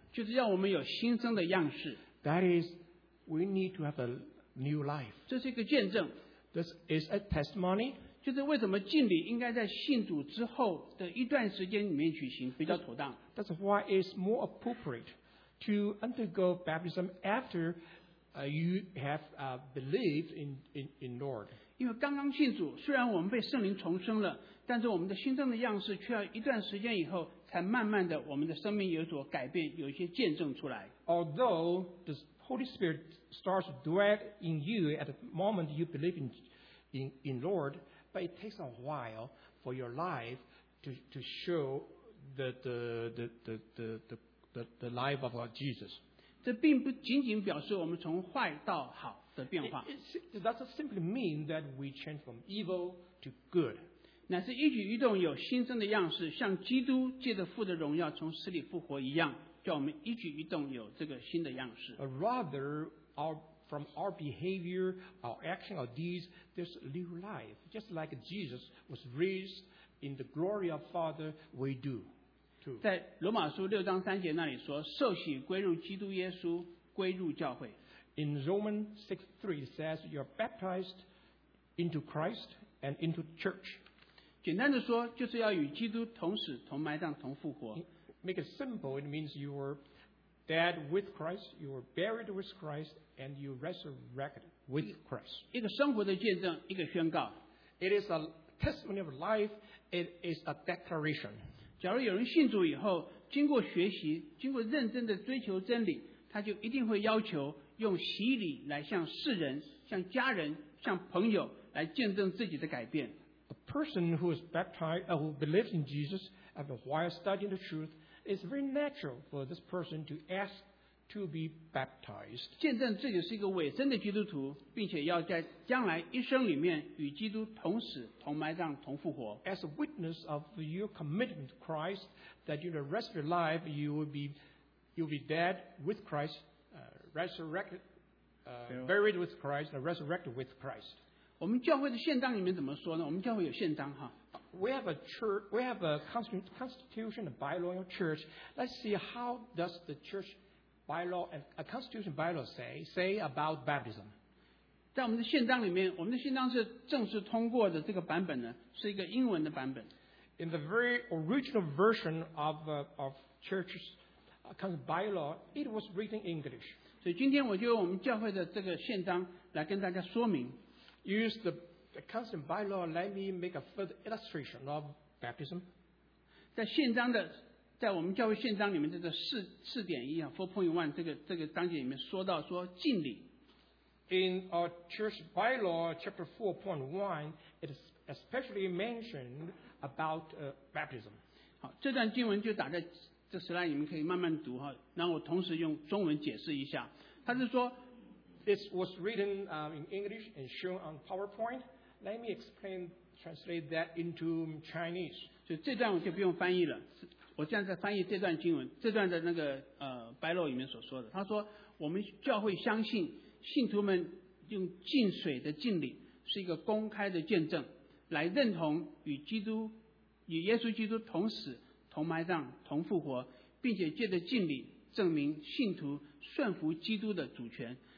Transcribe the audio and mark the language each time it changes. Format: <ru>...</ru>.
<zh>就是要我们有新生的样式。</zh> <en>That is, we need to have a new life.</en> <zh>这是一个见证。</zh> <en>This is a testimony.</en> <zh>就是为什么敬礼应该在信主之后的一段时间里面举行比较妥当。</zh> <en>That's why it's more appropriate to undergo baptism after you have believed in Lord.</en> <zh>因为刚刚信主，虽然我们被圣灵重生了，但是我们的心中的样式却要一段时间以后，才慢慢的我们的生命有所改变，有一些见证出来。</zh> <en>Although the Holy Spirit starts to dwell in you at the moment you believe in Lord, but it takes a while for your life to show the life of Jesus.</en> <zh>这并不仅仅表示我们从坏到好的变化。</zh> <en>It doesn't simply mean that we change from evil to good.</en> <zh>乃是一举一动有新生的样式，像基督借着父的荣耀从死里复活一样，叫我们一举一动有这个新的样式。</zh> <en>But rather, from our behavior, our action, our deeds, there's new life. Just like Jesus was raised in the glory of Father, we do.</en> <zh>在罗马书六章三节那里说，受洗归入基督耶稣，归入教会。</zh> <en>In Romans 6:3, it says you're baptized into Christ and into the church.</en> <zh>简单的说，就是要与基督同死、同埋葬、同复活。</zh> <en>Make it simple, it means you were dead with Christ, you were buried with Christ, and you resurrected with Christ.</en> <zh>一个生活的见证，一个宣告。</zh> <en>It is a testimony of life, it is a declaration.</en> <zh>假如有人信主以后，经过学习，经过认真的追求真理，他就一定会要求用洗礼来向世人、向家人、向朋友来见证自己的改变。</zh> <en>A person who is baptized, who believes in Jesus, after while studying the truth, it's very natural for this person to ask to be baptized.</en> <zh>见证自己是一个伪真的基督徒，并且要在将来一生里面与基督同死、同埋葬、同复活。</zh> <en>As a witness of your commitment to Christ, that in the rest of your life you will be dead with Christ, buried with Christ, and resurrected with Christ.</en> <zh>我们教会的宪章里面怎么说呢？我们教会有宪章哈。</zh> <en>We have a constitution, a bylaw of church. Let's see how does the church bylaw and a constitution bylaw say about baptism.</en> <zh>在我们的宪章里面，我们的宪章是正式通过的这个版本呢，是一个英文的版本。</zh> <en>In the very original version of church's bylaw, it was written in English.</en> <zh>所以今天我就用我们教会的这个宪章来跟大家说明。</zh> <en>Use the constant bylaw, let me make a further illustration of baptism.</en> <zh>在宪章的，在我们教会宪章里面，这个四点一啊 ，4.1 这个章节里面说到说敬礼。</zh> <en>In our church bylaw, chapter 4.1, it is especially mentioned about baptism.</en> <zh>好，这段经文就打在这slide里面，可以慢慢读哈。那我同时用中文解释一下，他是说。</zh> <en>This was written in English and shown on PowerPoint. Let me translate that into Chinese.</en> <zh>就这段我就不用翻译了。我现在翻译这段经文，这段的那个白露里面所说的。他说，我们教会相信信徒们用浸水的浸礼是一个公开的见证，来认同与耶稣基督同死、同埋葬、同复活，并且借着浸礼证明信徒顺服基督的主权。</zh>